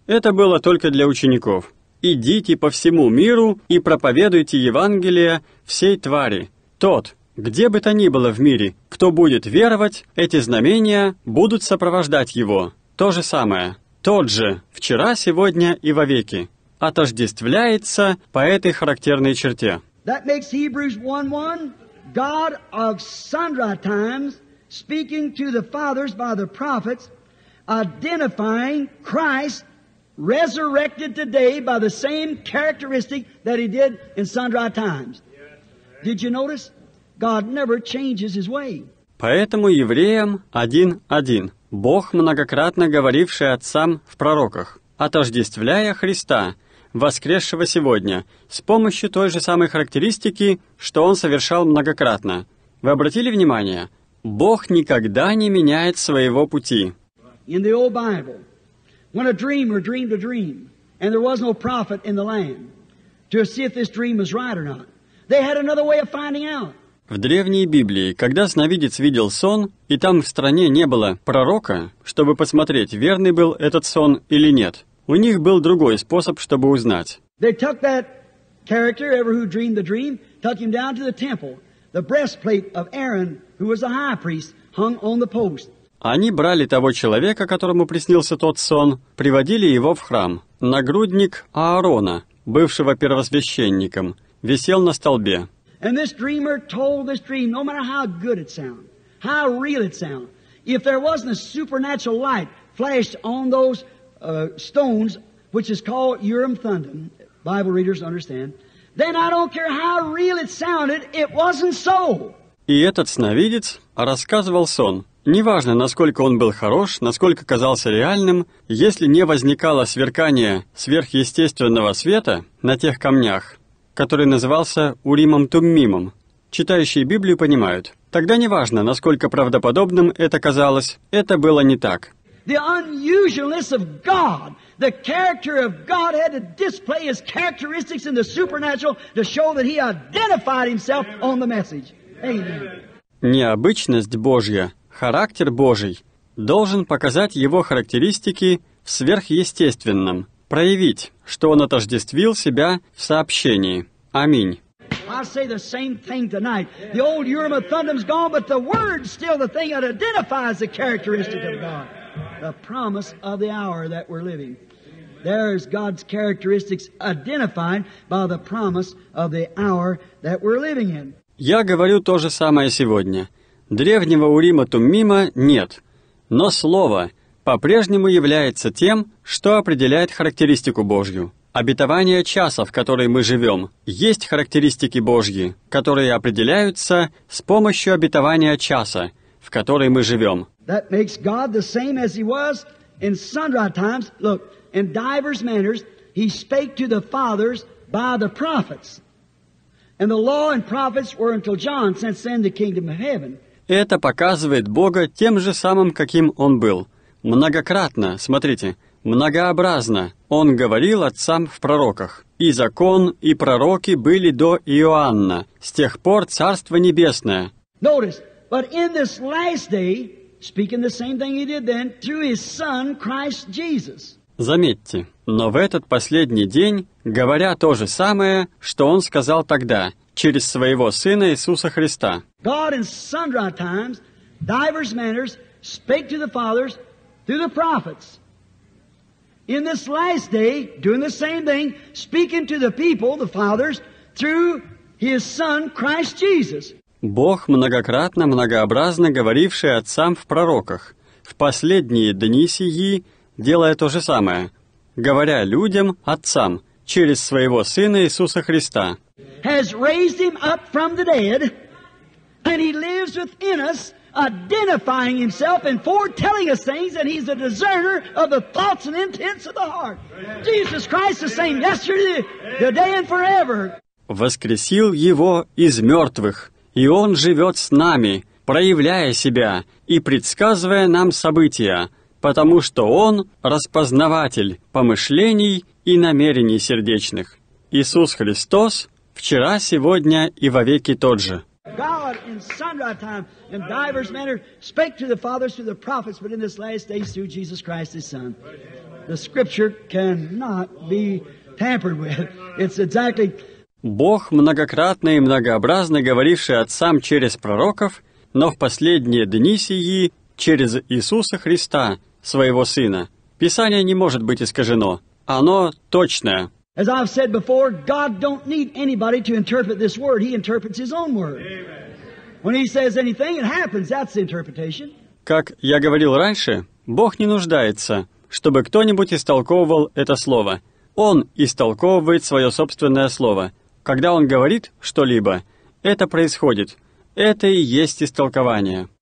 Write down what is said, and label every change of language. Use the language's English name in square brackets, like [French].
[Russian] Это было только для учеников. «Идите по всему миру и проповедуйте Евангелие всей твари. Тот, где бы то ни было в мире, кто будет веровать, эти знамения будут сопровождать его». То же самое. Тот же, вчера, сегодня и вовеки. Отождествляется по этой характерной черте. [English] That makes Hebrews 1:1, God of sundry times, speaking to the fathers by the prophets, identifying Christ resurrected today by the same characteristic that he did in sundry times. Did you notice? God never changes his way. [Russian] Поэтому евреям 1:1, Бог, многократно говоривший отцам в пророках, отождествляя Христа, воскресшего сегодня, с помощью той же самой характеристики, что он совершал многократно. Вы обратили внимание? Бог никогда не меняет своего пути. [English] In the old Bible, when a dreamer dreamed a dream, and there was no prophet in the land to see if this dream was right or not, they had another way of finding out. [Russian] В древней Библии, когда сновидец видел сон, и там в стране не было пророка, чтобы посмотреть, верный был этот сон или нет, у них был другой способ, чтобы узнать. [English] They took that character, ever who dreamed the dream, took him down to the temple. The breastplate of Aaron, who was a high priest, hung on the post. [Russian] Они брали того человека, которому приснился тот сон, приводили его в храм. Нагрудник Аарона, бывшего первосвященником, висел на столбе. [English] And this dreamer told this dream, no matter how good it sounded, how real it sounded, if there wasn't a supernatural light flashed on those stones, which is called Urim Thummim, Bible readers understand. Then I don't care how real it sounded, it wasn't so. [Russian] И этот сновидец рассказывал сон. Неважно, насколько он был хорош, насколько казался реальным, если не возникало сверкания сверхъестественного света на тех камнях, который назывался Уримом-Туммимом. Читающие Библию понимают. Тогда неважно, насколько правдоподобным это казалось, это было не так. [English] The unusualness of God, the character of God had to display his characteristics in the supernatural to show that he identified himself on the message. Amen. [Russian] Необычность Божья, характер Божий, должен показать его характеристики в сверхъестественном, проявить, что он отождествил себя в сообщении. Аминь. [English] I say the same thing tonight. The old Urim and Thummim's gone, but the word's still the thing that identifies the characteristic of God. The promise of the hour that we're living. There's God's characteristics identified by the promise of the hour that we're living in. [Russian] Я говорю то же самое сегодня. Древнего Урима Туммима нет, но Слово по-прежнему является тем, что определяет характеристику Божью. Обетование часа, в которой мы живем, есть характеристики Божьи, которые определяются с помощью обетования часа, в которой мы живем. [English] That makes God the same as he was in sundry times. Look, in divers manners, he spake to the fathers by the prophets. And the law and prophets were until John, since then the kingdom of heaven. [Russian] Это показывает Бога тем же самым, каким он был. Многократно, смотрите, многообразно он говорил отцам в пророках. И закон, и пророки были до Иоанна. С тех пор Царство Небесное. [English] Notice, but in this last day, speaking the same thing he did then, through his son, Christ Jesus. [Russian] Заметьте, но в этот последний день, говоря то же самое, что он сказал тогда, через своего сына Иисуса Христа. [English] God in sundry times, divers manners, spake to the fathers through the prophets. In this last day, doing the same thing, speaking to the people, the fathers, through his son, Christ Jesus. [Russian] Бог, многократно, многообразно говоривший отцам в пророках, в последние дни сии, делая то же самое, говоря людям, отцам, через своего Сына Иисуса Христа. [English] Has raised him up from the dead, and he lives within us, identifying himself and foretelling us things, and he's a discerner of the thoughts and intents of the heart. Jesus Christ the same yesterday, today and forever. [Russian] Воскресил его из мертвых. И Он живет с нами, проявляя Себя и предсказывая нам события, потому что Он – распознаватель помышлений и намерений сердечных. Иисус Христос – вчера, сегодня и вовеки тот же. [English] God in sundry time, in divers manner, spake to the fathers through the prophets, but in this last day through Jesus Christ, His Son. The Scripture cannot be tampered with. It's exactly... [Russian] Бог, многократно и многообразно говоривший отцам через пророков, но в последние дни сии через Иисуса Христа, своего Сына. Писание не может быть искажено. Оно точное. [English] As I've said before, God don't need anybody to interpret this word. He interprets his own word. When he says anything, it happens. That's the interpretation. [Russian] Как я говорил раньше, Бог не нуждается, чтобы кто-нибудь истолковывал это слово. Он истолковывает свое собственное слово. Когда он говорит что-либо, это происходит. Это и есть истолкование.